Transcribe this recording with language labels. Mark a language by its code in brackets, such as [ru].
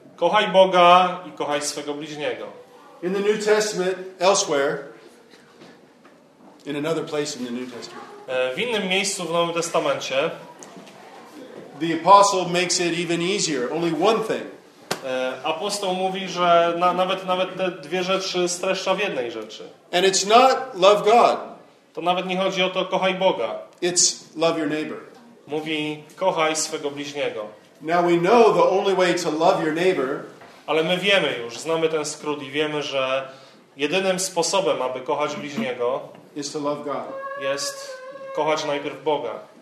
[pl] Kochaj Boga i kochaj swego bliźniego. [en] In the New Testament, elsewhere, in another place in the New Testament. [pl] W innym miejscu w Nowym Testamencie. [en] The apostle makes it even easier. Only one thing. [pl] Apostoł mówi, że nawet te dwie rzeczy streszcza w jednej rzeczy. [en] And it's not love God. [pl] To nawet nie chodzi o to kochaj Boga. [en] It's love your neighbor. [pl] Mówi kochaj swego bliźniego. [en] Now we know the only way to love your neighbor. [pl] Ale my wiemy już, znamy ten skrót i wiemy, że jedynym sposobem, aby kochać bliźniego, [en] is to love God. [pl] Jest kochać najpierw Boga.